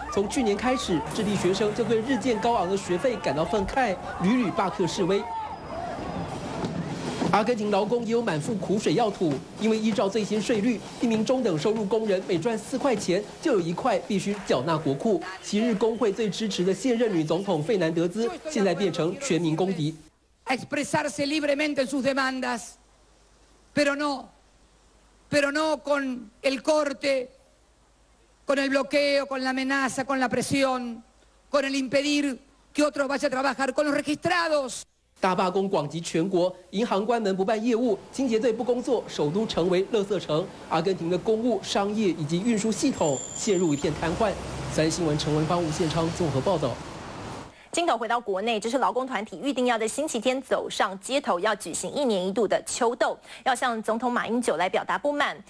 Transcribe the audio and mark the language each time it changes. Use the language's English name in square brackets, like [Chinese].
[Chinese] 从去年开始，智利学生就对日渐高昂的学费感到愤慨，屡屡罢课示威。阿根廷劳工也有满腹苦水要吐，因为依照最新税率，一名中等收入工人每赚4块钱就有1块必须缴纳国库。昔日工会最支持的现任女总统费南德兹，现在变成全民公敌。 [Spanish] Expresarse libremente en sus demandas, pero no con el corte, con el bloqueo, con la amenaza, con la presión, con el impedir que otros vayan a trabajar con los registrados. [Chinese] 大罢工广及全国，银行关门不办业务，清洁队不工作，首都成为垃圾城，阿根廷的公务、商业以及运输系统陷入一片瘫痪。三新闻陈文芳、吴宪昌综合报道。镜头回到国内，这是劳工团体预定要在星期天走上街头，要举行1年1度的秋斗，要向总统马英九来表达不满。